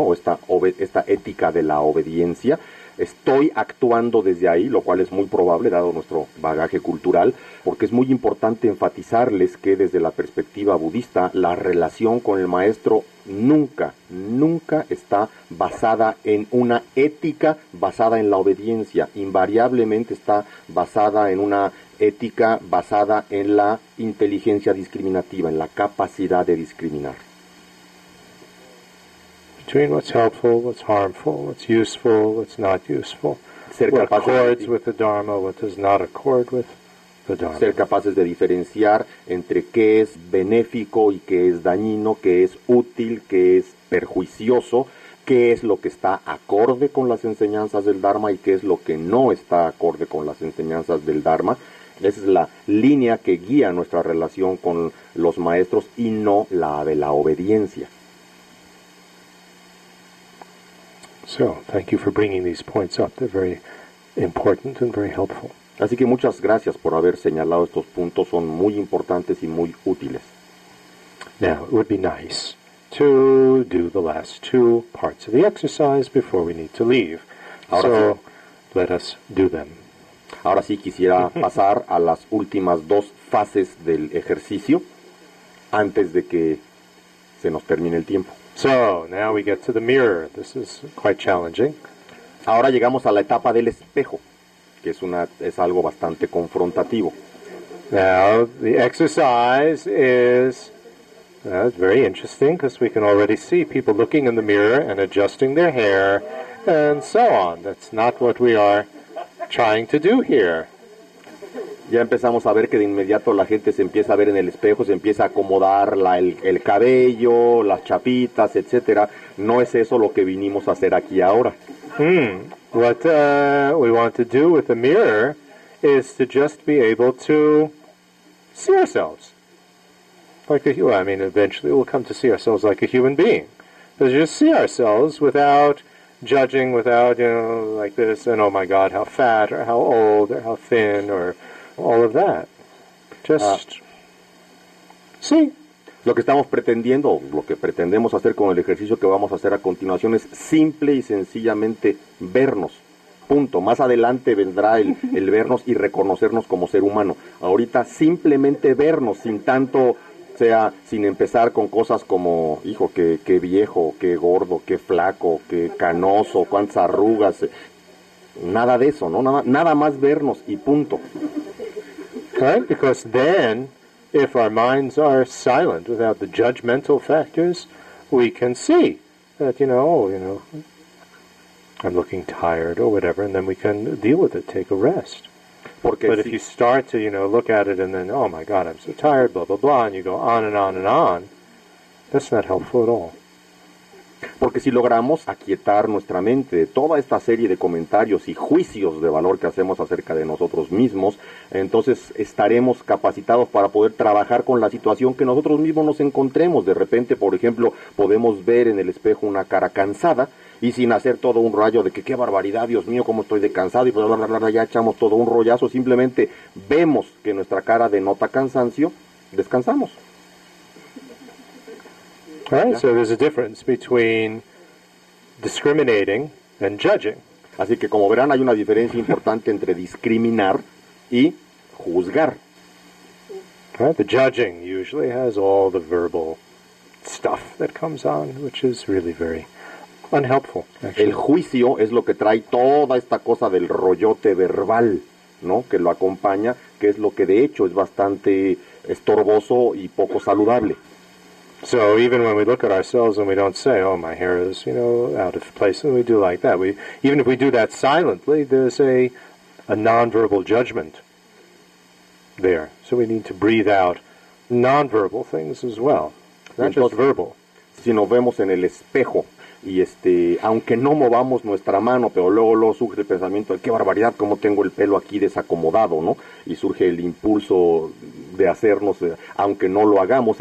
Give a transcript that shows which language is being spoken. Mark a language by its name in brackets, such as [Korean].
[Spanish] O esta ética de la obediencia, estoy actuando desde ahí, lo cual es muy probable dado nuestro bagaje cultural, porque es muy importante enfatizarles que desde la perspectiva budista la relación con el maestro nunca, nunca está basada en una ética basada en la obediencia, invariablemente está basada en una ética basada en la inteligencia discriminativa, en la capacidad de discriminar. [English] Between what's helpful, what's harmful, what's useful, what's not useful, [Spanish] ser [English] what accords with the Dharma, what does not accord with the Dharma. [Spanish] Ser capaces de diferenciar entre qué es benéfico y qué es dañino, qué es útil, qué es perjuicioso, qué es lo que está acorde con las enseñanzas del Dharma y qué es lo que no está acorde con las enseñanzas del Dharma. Esa es la línea que guía nuestra relación con los maestros y no la de la obediencia. [English] So, thank you for bringing these points up. They're very important and very helpful. [Spanish] Así que muchas gracias por haber señalado estos puntos. Son muy importantes y muy útiles. [English] Now, it would be nice to do the last two parts of the exercise before we need to leave. [Spanish] Ahora sí. [English] Let us do them. [Spanish] Ahora sí quisiera pasar a las últimas dos fases del ejercicio antes de que se nos termine el tiempo. [English] So, now we get to the mirror. This is quite challenging. [Spanish] Ahora llegamos a la etapa del espejo, que es algo bastante confrontativo. [English] Now, the exercise is very interesting because we can already see people looking in the mirror and adjusting their hair and so on. That's not what we are trying to do here. [Spanish] Ya empezamos a ver que de inmediato la gente se empieza a ver en el espejo, se empieza a acomodar el cabello, las chapitas, etcétera. No es eso lo que vinimos a hacer aquí ahora. [English] What we want to do with the mirror is to just be able to see ourselves. Eventually we'll come to see ourselves like a human being. But just see ourselves without judging, without, you know, like this, and oh my God, how fat, or how old, or how thin, or all of that. Just [Spanish] sí. Lo que estamos pretendiendo, lo que pretendemos hacer con el ejercicio que vamos a hacer a continuación es simple y sencillamente vernos. Punto. Más adelante vendrá el vernos y reconocernos como ser humano. Ahorita simplemente vernos sin tanto, sea, sin empezar con cosas como, hijo, qué viejo, qué gordo, qué flaco, qué canoso, cuántas arrugas. Nada de eso, ¿no? Nada más vernos y punto. [English] Right? Because then, if our minds are silent without the judgmental factors, we can see that, you know, I'm looking tired or whatever, and then we can deal with it, take a rest. [Spanish] Porque [English] But [Spanish] si [English] if you start to, you know, look at it and then, oh my God, I'm so tired, blah, blah, blah, and you go on and on and on, that's not helpful at all. [Spanish] Porque si logramos aquietar nuestra mente de toda esta serie de comentarios y juicios de valor que hacemos acerca de nosotros mismos, entonces estaremos capacitados para poder trabajar con la situación que nosotros mismos nos encontremos. De repente, por ejemplo, podemos ver en el espejo una cara cansada y sin hacer todo un rayo de que qué barbaridad, Dios mío, cómo estoy de cansado, y bla, bla, bla, ya echamos todo un rollazo, simplemente vemos que nuestra cara denota cansancio, descansamos. [English] Right, so there's a difference between discriminating and judging. [Spanish] Así que como verán, hay una diferencia importante entre discriminar y juzgar. [English] Right, the judging usually has all the verbal stuff that comes on, which is really very unhelpful. Actually. [Spanish] El juicio es lo que trae toda esta cosa del rollote verbal, ¿no? Que lo acompaña, que es lo que de hecho es bastante estorboso y poco saludable. [English] So even when we look at ourselves and we don't say, oh, my hair is, you know, out of place, and we do like that, even if we do that silently, there's a nonverbal judgment there. So we need to breathe out nonverbal things as well. [Spanish] Entonces, [English] just verbal. [Spanish] Si nos vemos en el espejo y aunque no movamos nuestra mano, pero luego surge el pensamiento de qué barbaridad, cómo tengo el pelo aquí desacomodado, ¿no? Y surge el impulso de hacernos, aunque no lo hagamos.